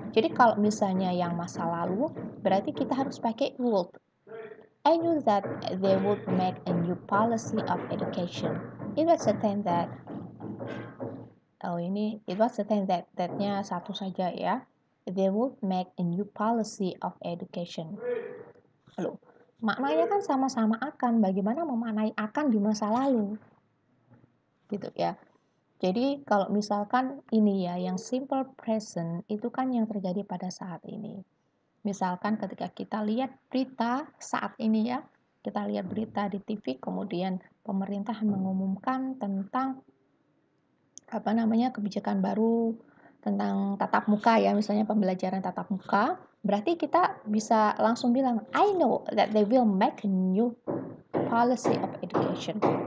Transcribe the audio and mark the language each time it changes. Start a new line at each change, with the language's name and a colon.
Indonesian: Jadi kalau misalnya yang masa lalu, berarti kita harus pakai would.
English: I knew that they would make a new policy of education. It was certain that.
Indonesian: Oh ini,
English: it was certain that.
Indonesian: That-nya satu saja ya.
English: They would make a new policy of education.
Indonesian: Halo. Maknanya kan sama-sama akan. Bagaimana memaknai akan di masa lalu? Gitu ya. Jadi kalau misalkan ini ya, yang simple present itu kan yang terjadi pada saat ini. Misalkan ketika kita lihat berita saat ini ya, kita lihat berita di TV, kemudian pemerintah mengumumkan tentang apa namanya kebijakan baru tentang tatap muka ya, misalnya pembelajaran tatap muka. Berarti kita bisa langsung bilang,
English: I know that they will make a new policy of education.